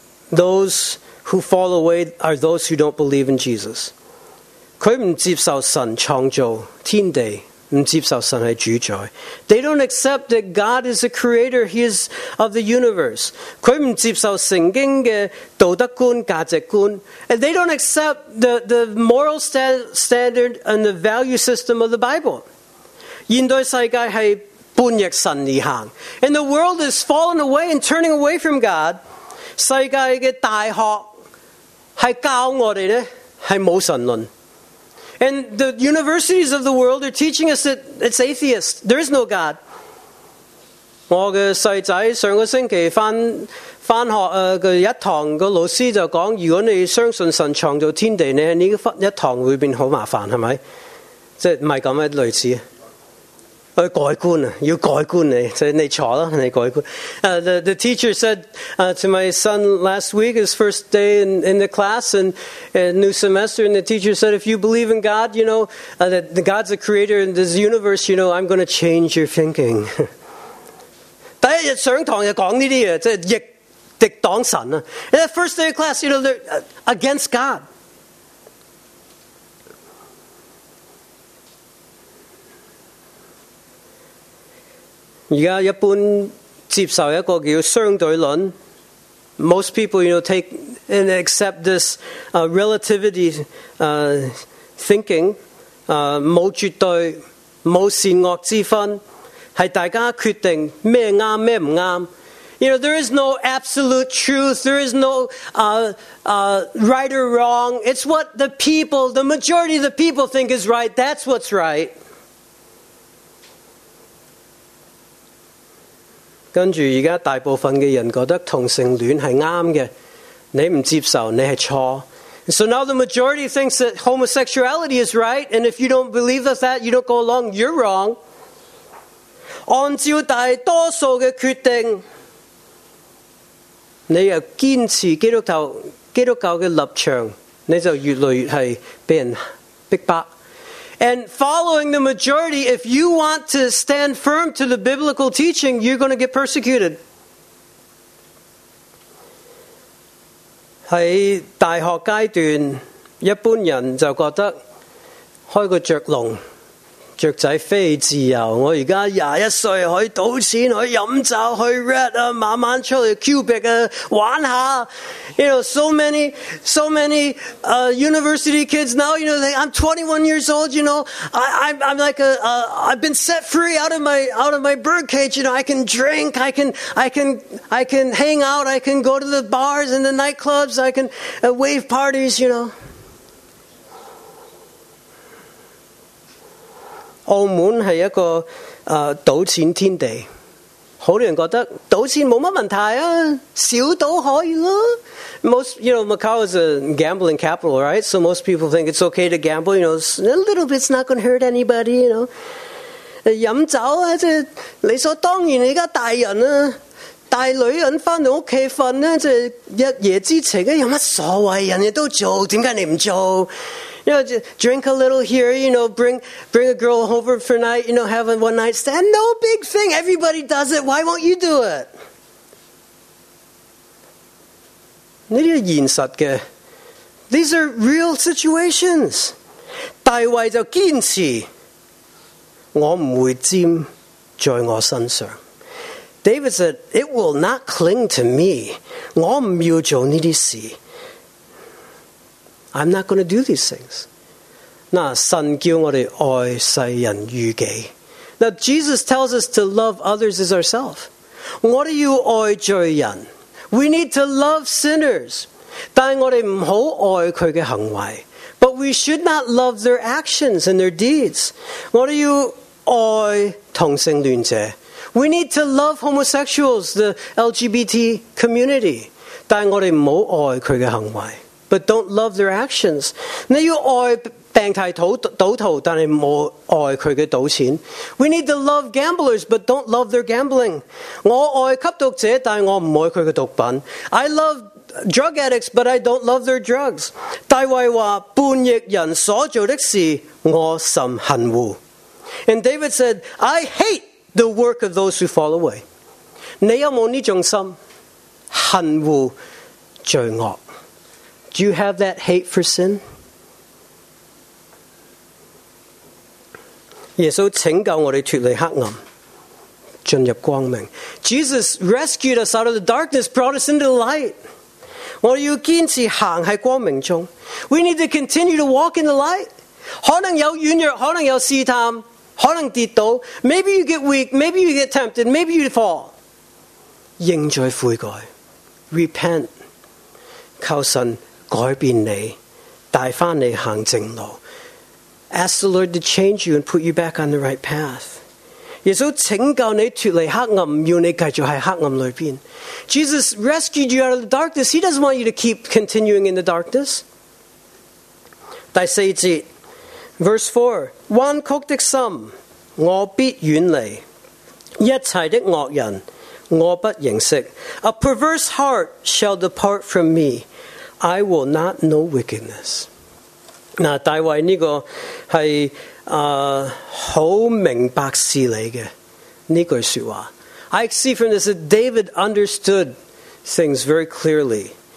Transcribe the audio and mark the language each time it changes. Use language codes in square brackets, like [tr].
[en] Those who fall away are those who don't believe in Jesus. [zh] 他不接受神创造天地，不接受神是主宰。 [en] They don't accept that God is the creator, he is of the universe. [zh] 他不接受圣经的道德观、价值观。 [en] And they don't accept the moral standard and the value system of the Bible. [zh] 现代世界是叛逆神而行。 [en] And the world is falling away and turning away from God. [zh] 世界的大学是教我们呢，是无神论。 [en] And the universities of the world are teaching us that it's atheist. There is no God. [zh] 我的小孩上个星期翻学，一堂个老师就讲，如果你相信神创造天地，你一堂会变好麻烦，系咪？即系唔系咁嘅类似？去改观啊，要改观你，即系你错啦，你改观。 [en] The teacher said to my son last week, his first day in the class and new semester, and the teacher said, if you believe in God, you know, that God's a creator in this universe, you know, I'm going to change your thinking. [zh] 第一日上堂就讲呢啲嘢，即系逆党神啊。 [en] In the first day of class, you know, they're against God. [zh] 现在一般接受一个叫相对论， [en] most people, you know, take and accept this relativity thinking, [zh] 无绝对，无善恶之分，是大家决定咩啱咩唔啱。 [en] You know, there is no absolute truth, there is no right or wrong, it's what the people, the majority of the people think is right, that's what's right. [zh] 跟住，而家大部分嘅人觉得同性恋系啱嘅，你唔接受，你系错。 [en] So now the majority thinks that homosexuality is right, and if you don't believe that, you don't go along, you're wrong. [zh] 按照大多数嘅决定，你又坚持基督教嘅立场，你就越来越系被人逼迫。 [en] And following the majority, if you want to stand firm to the biblical teaching, you're going to get persecuted. [zh] 在大学阶段，一般人就觉得开个雀笼，雀仔飞自由。我而家21岁，可以赌钱，可以饮酒，去 red 啊，晚晚出去 Quebec 啊玩下。 [en] You know, so many university kids now. You know, like, I'm 21 years old. You know, I'm like a I've been set free out of my birdcage. You know, I can drink, I can hang out, I can go to the bars and the nightclubs, I can wave parties. You know. [zh] 澳门是一个赌钱天地，好多人觉得赌钱没什么问题啊，小赌可以啦。 [en] Most, you know, Macau is a gambling capital, right? So most people think it's okay to gamble. You know, a little bit's not going to hurt anybody. You know, [zh] 饮酒啊，即系理所当然。而家大人啊，大女人翻到屋企瞓咧，即系一夜之情啊，有乜所谓？人哋都做，点解你唔做？ [en] You know, drink a little here, you know, bring a girl over for night, you know, have a one night stand. No big thing. Everybody does it. Why won't you do it? [zh] 这些现实的 [en] These are real situations. [zh] 大卫就坚持我不会沾在我身上。 [en] David said, it will not cling to me. [zh] 我不要做这些事。 [en] I'm not going to do these things. [zh] 那神叫我们爱世人如己。 [en] Now Jesus tells us to love others as ourselves. [zh] 我们要爱罪人。 [en] We need to love sinners. [zh] 但我们不要爱他的行为。 [en] But we should not love their actions and their deeds. [zh] 我们要爱同性恋者。 [en] We need to love homosexuals, the LGBT community. [zh] 但我们不要爱他的行为。 [en] But don't love their actions. [zh] 你要爱病态赌徒，但系唔爱佢嘅赌钱。 [en] We need to love gamblers, but don't love their gambling. [zh] 我爱吸毒者，但系我唔爱佢嘅毒品。 [en] I love drug addicts, but I don't love their drugs. [zh] 大卫话：叛逆人所做的事，我甚恨恶。 [en] And David said, I hate the work of those who fall away. [zh] 你有冇呢种心？恨恶罪恶。 [en] Do you have that hate for sin? [zh] 耶稣拯救我们脱离黑暗，进入光明。 [en] Jesus rescued us out of the darkness, brought us into the light. [zh] 我们要坚持行在光明中。 [en] We need to continue to walk in the light. [zh] 可能有软弱，可能有试探，可能跌倒。 [en] Maybe you get weak, maybe you get tempted, maybe you fall. [zh] 认罪悔改 ， [en] repent， [zh] 求神。改变你，带翻你行正路。 [en] Ask the Lord to change you and put you back on the right path. [zh] 耶稣拯救你脱离黑暗，要你继续在黑暗里边。 [en] Jesus rescued you out of the darkness. He doesn't want you to keep continuing in the darkness. [zh] 第四节 ， [en] verse 4： [zh] 弯曲的心，我必远离；一切的恶人，我不认识。 [en] A perverse heart shall depart from me. I will not know wickedness. [zh] 那大卫呢个系好明白事理嘅呢句说话。 [en] I see from this that David understood things very clearly.